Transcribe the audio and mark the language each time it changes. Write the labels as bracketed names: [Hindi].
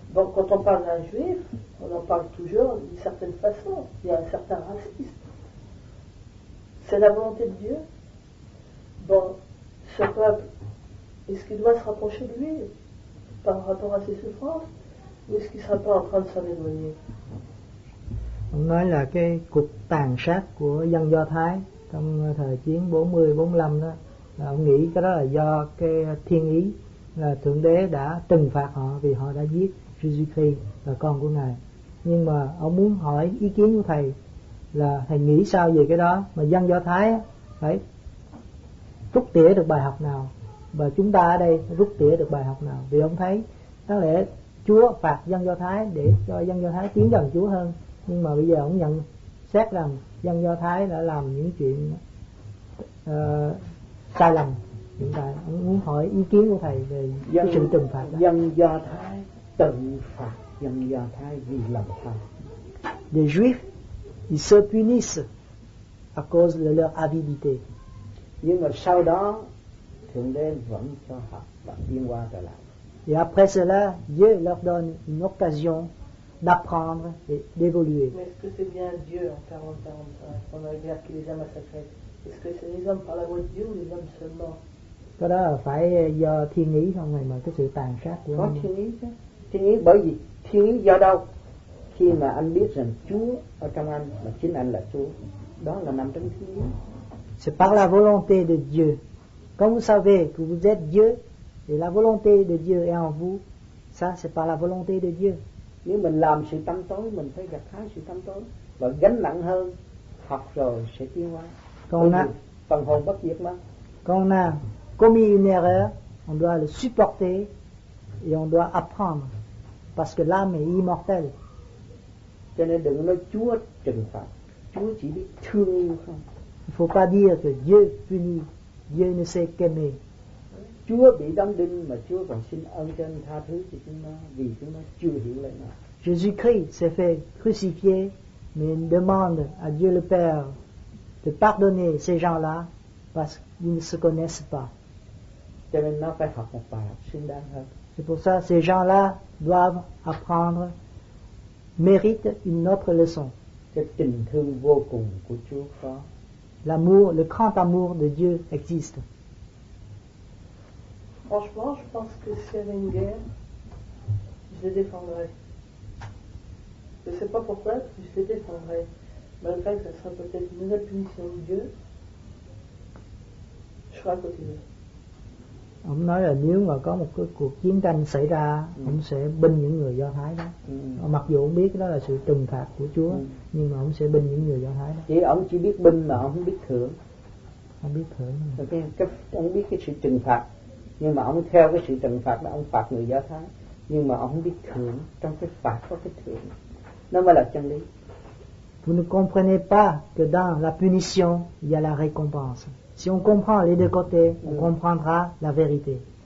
[French] Donc quand on parle d'un Juif, on en parle toujours d'une certaine façon. Il y a un certain racisme. C'est la volonté de Dieu. Bon, ce peuple, est-ce qu'il doit se rapprocher de lui par rapport à ses souffrances, ou est-ce qu'il ne sera pas en train de s'en éloigner? [Vietnamese] On nói là cái cuộc tàn sát của dân Do Thái trong thời chiến 40-45 đó. Ông nghĩ cái đó là do cái thiên ý là Thượng Đế đã trừng phạt họ vì họ đã giết Jesus Christ là con của Ngài. Nhưng mà ông muốn hỏi ý kiến của thầy là thầy nghĩ sao về cái đó, mà dân Do Thái phải rút tỉa được bài học nào, và chúng ta ở đây rút tỉa được bài học nào? Vì ông thấy có lẽ Chúa phạt dân Do Thái để cho dân Do Thái tiến gần Chúa hơn, nhưng mà bây giờ ông nhận xét rằng dân Do Thái đã làm những chuyện sai lầm. Hiện tại ông muốn hỏi ý kiến của thầy về dân, sự trừng phạt đó. Dân Do Thái tự phạt dân Do Thái vì lầm sai. [French] Les Juifs, ils se punissent à cause de leur avidité. [Vietnamese] Nhưng mà sau đó Thượng Đế vẫn cho họ và tiến qua trở lại. [French] Et après cela, Dieu leur donne une occasion d'apprendre et d'évoluer. Mais est-ce que c'est bien Dieu en 40-45 pendant la guerre qui les a massacrés? Est-ce que c'est les hommes par la voix de Dieu ou les hommes seulement? [Vietnamese] Cái đó là phải do thiên ý không, mà cái sự tàn sát của có thiên ý chứ. Thiên ý bởi vì thiên lý do đâu? Khi mà anh biết rằng Chúa ở trong anh và chính anh là Chúa, đó là nằm trong thiên lý. [French] C'est par la volonté de Dieu. Quand vous savez que vous êtes Dieu et la volonté de Dieu est en vous, ça c'est par la volonté de Dieu. [Vietnamese] Nếu mình làm sự tâm tối, mình phải gặt hái sự tâm tối và gánh nặng hơn, học rồi sẽ tiến hóa. Phần hồn bất diệt mà. [French] Quand on a commis une erreur, on doit le supporter et on doit apprendre parce que l'âme est immortelle. [Vietnamese] Cho nên đừng nói Chúa trừng phạt, Chúa chỉ biết thương yêu không. [French] Il ne faut pas dire que Dieu punit, Dieu ne sait qu'aimer. [Vietnamese] Chúa bị đóng đinh mà Chúa còn xin ân trên tha thứ cho chúng nó vì chúng nó chưa hiểu lời nào. [French] Jésus-Christ s'est fait crucifier mais il demande à Dieu le Père de pardonner ces gens-là parce qu'ils ne se connaissent pas. [Vietnamese] Cho nên nó phải học một bài học xứng đáng hơn. [French] C'est pour ça que ces gens-là doivent apprendre, méritent une autre leçon. [Vietnamese] Cái tình thương vô cùng của Chúa có. [French] L'amour, le grand amour de Dieu existe. Franchement, je pense que s'il y avait une guerre, je les défendrais. Je ne sais pas pourquoi, mais je les défendrais. Malgré que ce serait peut-être une nouvelle punition de Dieu, je serais à côté d'eux. [Vietnamese] Ông nói là nếu mà có một cái cuộc chiến tranh xảy ra, ông sẽ binh những người Do Thái đó. Mặc dù ông biết đó là sự trừng phạt của Chúa, nhưng mà ông sẽ binh những người Do Thái đó. Chỉ ông chỉ biết binh mà ông không biết thưởng. Không biết thưởng. Ông biết cái sự trừng phạt, nhưng mà ông theo cái sự trừng phạt đó, ông phạt người Do Thái. Nhưng mà ông không biết thưởng, trong cái phạt có cái thưởng. Nó mới là chân lý. [French] Vous ne comprenez pas que dans la punition, il y a la récompense. Si on comprend les deux côtés, on comprendra la vérité.